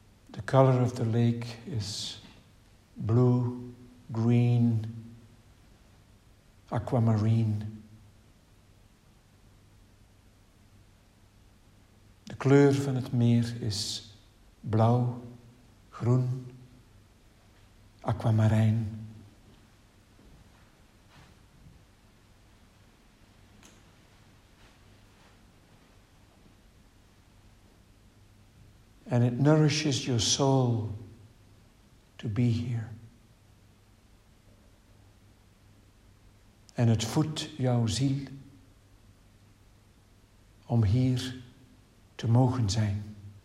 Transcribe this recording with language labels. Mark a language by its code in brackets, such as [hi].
[en] The color of the lake is blue-green-aquamarine. [nl] De kleur van het meer is blauw-groen-aquamarijn. [en] And it nourishes your soul to be here. [nl] en het voedt jouw ziel om hier te mogen zijn.